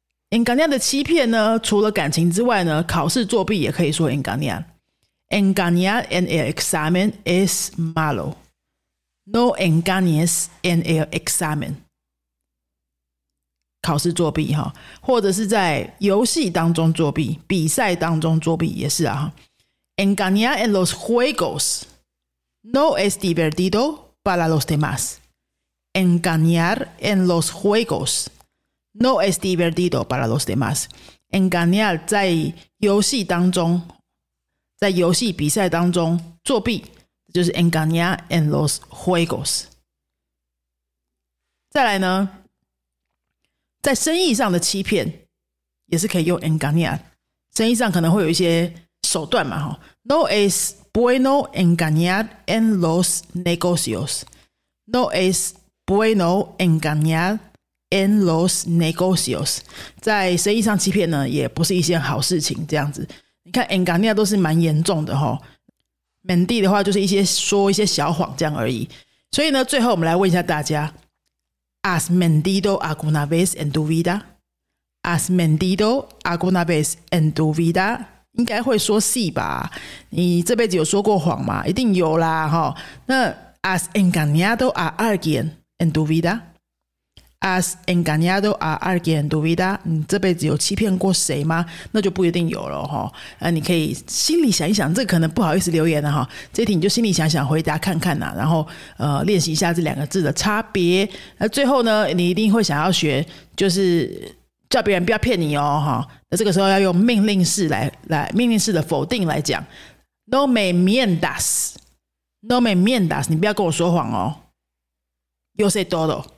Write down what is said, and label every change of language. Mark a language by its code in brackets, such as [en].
[zh] engañar 的欺骗呢，除了感情之外呢，考试作弊也可以说 engañar [es] engañar en el examen [zh] es malo No engañes en el examen， 考试作弊哈，或者是在游戏当中作弊，比赛当中作弊也是啊。 [es] Engañar en los juegos no es divertido para los demás. Engañar en los juegos no es divertido para los demás. [zh] Engañar 在游戏当中，在游戏比赛当中作弊，就是 [es] Engañar en los juegos。 [zh] 再来呢，在生意上的欺骗也是可以用 engañar， 生意上可能会有一些手段嘛。 [es] No es bueno engañar en los negocios No es bueno engañar en los negocios， [zh] 在生意上欺骗呢也不是一件好事情，这样子。你看 engañar 都是蛮严重的， mentir 的话就是一些说一些小谎这样而已。所以呢最后我们来问一下大家， [es] ¿Has mentido alguna vez en tu vida? ¿Has mentido alguna vez en tu vida? [zh] 应该会说sí吧，你这辈子有说过谎吗？一定有啦。 [es] 那 ¿Has engañado a alguien en tu vida? has engañado a alguien en tu vida， [zh] 你这辈子有欺骗过谁吗？那就不一定有了哈。你可以心里想一想，这可能不好意思留言了哈。这题你就心里想想，回答看看呐，然后练习一下这两个字的差别。那最后呢，你一定会想要学，就是叫别人不要骗你哦哈。那这个时候要用命令式来命令式的否定来讲 ， [es] No me mientas， No me mientas， [zh] 你不要跟我说谎哦。 [es] Yo sé todo。